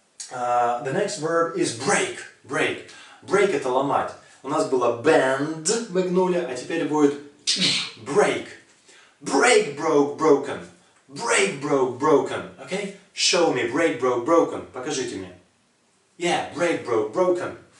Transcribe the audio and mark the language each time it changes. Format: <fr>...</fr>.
<en>The next verb is break. Break. Break –</en> <ru>это ломать. У нас было</ru> <en>bend,</en> <ru>Magnolia, а теперь будет break.</ru> <en>Break broke broken. Break broke broken. Okay? Show me break broke broken.</en> <ru>Покажите мне.</ru> <en>Yeah, break broke broken.</en>